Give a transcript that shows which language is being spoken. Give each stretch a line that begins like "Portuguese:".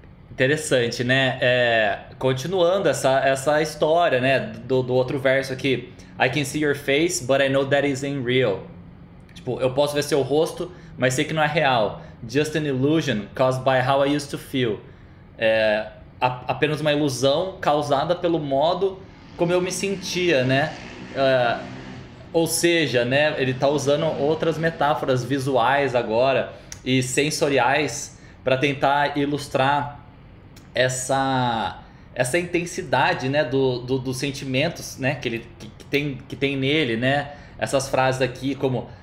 Portuguese: Interessante, né? Continuando essa história, né? Do outro verso aqui.
English: I can see your face, but I know that isn't real.
Portuguese: Tipo, eu posso ver seu rosto, mas sei que não é real.
English: Just an illusion caused by how I used to feel.
Portuguese: Apenas uma ilusão causada pelo modo como eu me sentia, né? Ou seja, né? Ele tá usando outras metáforas visuais agora e sensoriais para tentar ilustrar essa intensidade, né, dos sentimentos, né, que tem nele, né, essas frases aqui como